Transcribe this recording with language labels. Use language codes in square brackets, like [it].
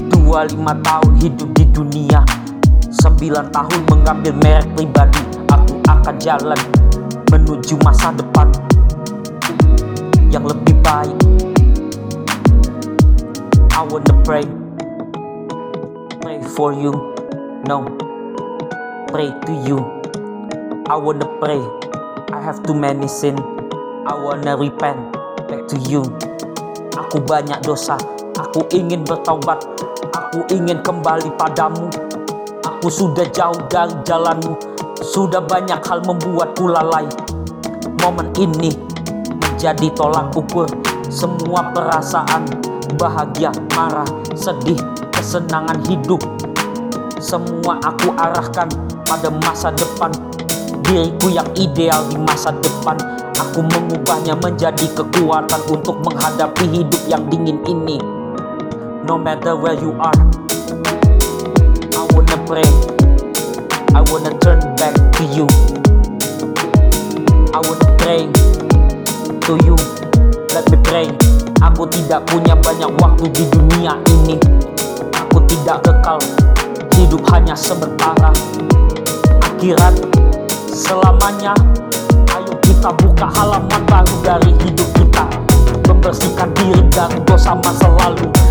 [id] 25 tahun hidup di dunia, 9 tahun mengambil merek pribadi. Aku akan jalan menuju masa depan yang lebih baik. [en] I wanna pray, pray for you. No, pray to you. I wanna pray, I have too many sin. I wanna repent back to you. [id] Aku banyak dosa, aku ingin bertaubat, aku ingin kembali padamu. Aku sudah jauh dari jalanmu, sudah banyak hal membuatku lalai. Momen ini menjadi tolak ukur semua perasaan, bahagia, marah, sedih, kesenangan hidup. Semua aku arahkan pada masa depan, diriku yang ideal di masa depan. Aku mengubahnya menjadi kekuatan untuk menghadapi hidup yang dingin ini. [en] No matter where you are, I wanna pray, I wanna turn back to you. I wanna pray to you, let me pray. [id] Aku tidak punya banyak waktu di dunia ini. Aku tidak kekal, hidup hanya sementara. Akhirat selamanya. Ayo kita buka halaman baru dari hidup kita. Membersihkan diri dari dosa masa lalu.